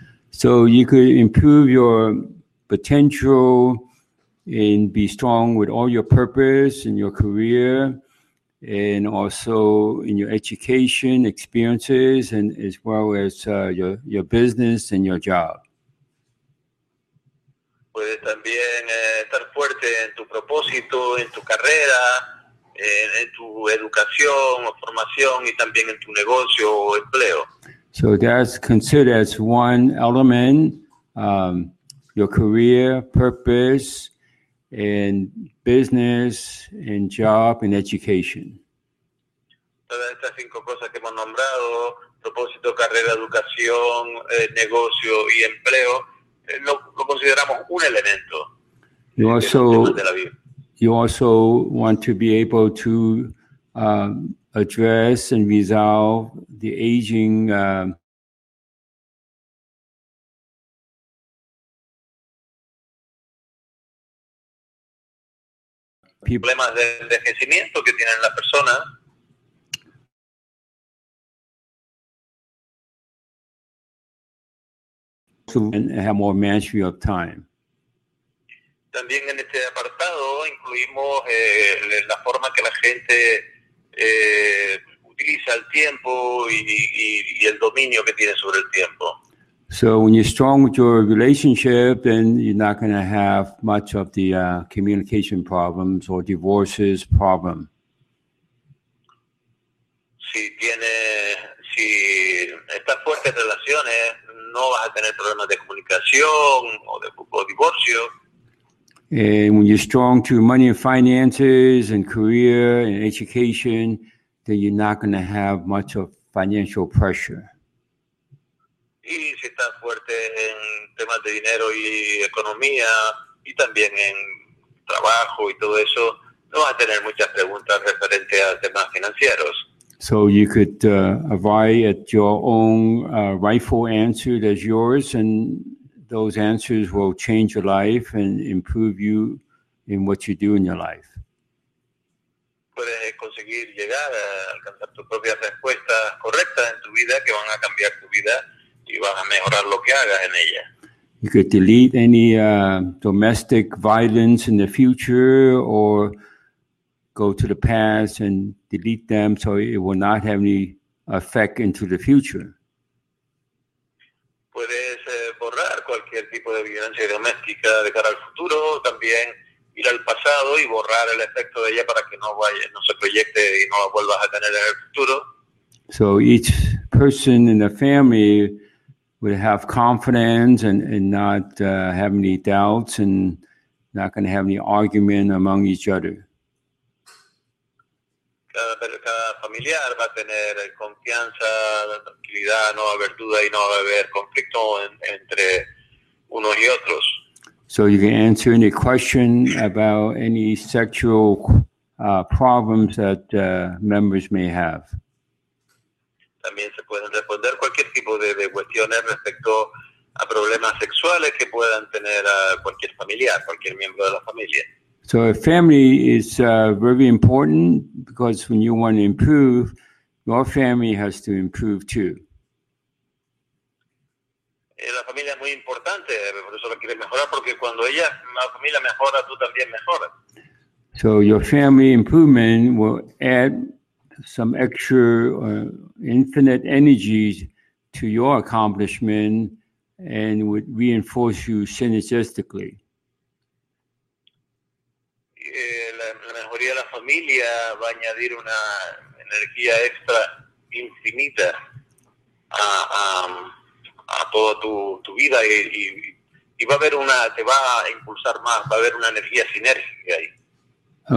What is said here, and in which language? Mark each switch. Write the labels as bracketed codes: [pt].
[en] So you could improve your potential and be strong with all your purpose in your career and also in your education experiences and as well as your business and your job. [es] Puede también estar fuerte en tu propósito, en tu carrera, en tu educación o formación y también en tu negocio o empleo. [en] So that's considered as one element, your career, purpose, and business, and job, and education. [es] Todas estas cinco cosas que hemos nombrado, propósito, carrera, educación, negocio y empleo, lo consideramos un elemento. [en] You also... You also want to be able to address and resolve the aging [es] problemas de envejecimiento que tienen las personas. [en] And have more mastery of time. [es] También en este apartado incluimos la forma que la gente utiliza el tiempo y el dominio que tiene sobre el tiempo. [en] So when you're strong with your relationship, then you're not going to have much of the communication problems or divorces problem. [es] Si estás fuerte en relaciones, no vas a tener problemas de comunicación o divorcio. [en] And when you're strong to money and finances and career and education, then you're not going to have much of financial pressure. [es] Y si estás fuerte en temas de dinero y economía, y también en trabajo y todo eso, no vas a tener muchas preguntas referentes a temas financieros. [en] So you could arrive at your own rightful answer that's yours, and those answers will change your life and improve you in what you do in your life. [es] Puedes conseguir llegar a alcanzar tus propias respuestas correctas en tu vida que van a cambiar tu vida y vas a mejorar lo que hagas en ella. [en] You could delete any domestic violence in the future or go to the past and delete them so it will not have any effect into the future. [es] Puedes borrar cualquier tipo de violencia doméstica de cara al futuro, también ir al pasado y borrar el efecto de ella para que no vaya, no se proyecte y no la vuelvas a tener en el futuro. [en] So each person in the family would have confidence and not have any doubts and not going to have any argument among each other. [es] Cada familiar va a tener confianza, tranquilidad, no va a haber duda y no va a haber conflicto entre unos y otros. [en] So you can answer any question about any sexual problems that members may have. [es] También se pueden responder cualquier tipo de cuestiones respecto a problemas sexuales que puedan tener a cualquier familiar, cualquier miembro de la familia. [en] So a family is very important because when you want to improve, your family has to improve too. [es] La familia es muy importante, por eso la quieres mejorar, porque cuando ella, la familia mejora, tú también mejoras. [en] So your family improvement will add some extra infinite energy to your accomplishment and would reinforce you synergistically. [es] La mejoría de la familia va a añadir una energía extra infinita a toda tu vida y va a haber una, te va a impulsar más, va a haber una energía sinérgica ahí.